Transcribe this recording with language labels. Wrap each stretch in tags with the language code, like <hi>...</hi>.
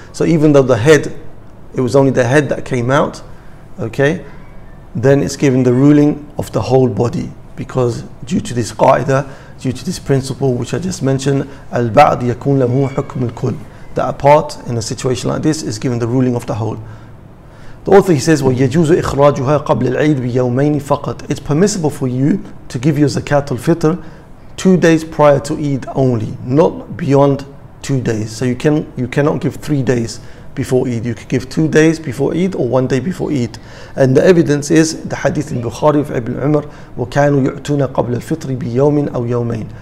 <en>So even though the head, it was only the head that came out, okay, then it's given the ruling of the whole body, because due to this qaida, due to this principle which I just mentioned,</en> <ar>al-ba'd yakun lahu hukm al-kull,</ar> <en>that a part in a situation like this is given the ruling of the whole. The author, he says,</en> <ar>وَيَجُوزُ إِخْرَاجُهَا قَبْلِ الْعِيدِ بِيَوْمَيْنِ فَقَطْ.</ar> <en>It's permissible for you to give your zakat al-fitr 2 days prior to Eid only, not beyond 2 days. So you cannot give 3 days before Eid. You could give 2 days before Eid or 1 day before Eid. And the evidence is the hadith in Bukhari of Ibn Umar,</en> <ar>وَكَانُوا يُعْتُونَ قَبْلَ الْفِطْرِ بِيَوْمٍ أَوْ يَوْمَيْنِ.</ar>